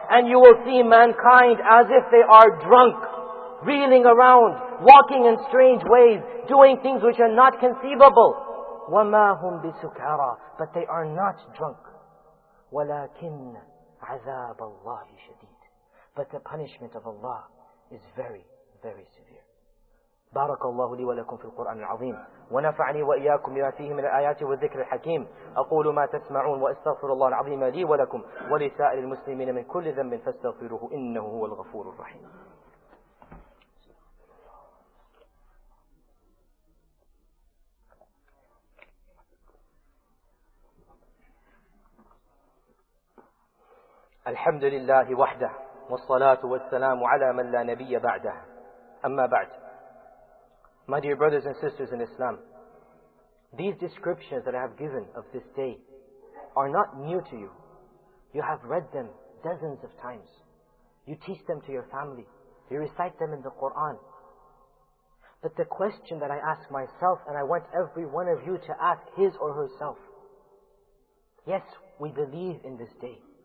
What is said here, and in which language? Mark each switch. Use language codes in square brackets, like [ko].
[en] And you will see mankind as if they are drunk, reeling around, walking in strange ways, doing things which are not conceivable. [ar] وَمَا هُمْ بِسُكَارَى. [en] But they are not drunk. [ar] وَلَكِنْ عَذَابَ اللَّهِ شَدِيدٌ. [en] But the punishment of Allah is very, very severe. [ar] بارك الله لي ولكم في القرآن العظيم ونفعني وإياكم بما فيه من الآيات والذكر الحكيم أقول ما تسمعون وأستغفر الله العظيم لي ولكم ولسائر المسلمين من كل ذنب فاستغفروه إنه هو الغفور الرحيم. الحمد لله وحده والصلاة والسلام على من لا نبي بعده. أما بعد. [en] My dear brothers and sisters in Islam, these descriptions that I have given of this day are not new to you. You have read them dozens of times. You teach them to your family. You recite them in the Quran. But the question that I ask myself, and I want every one of you to ask his or herself, yes, we believe in this day.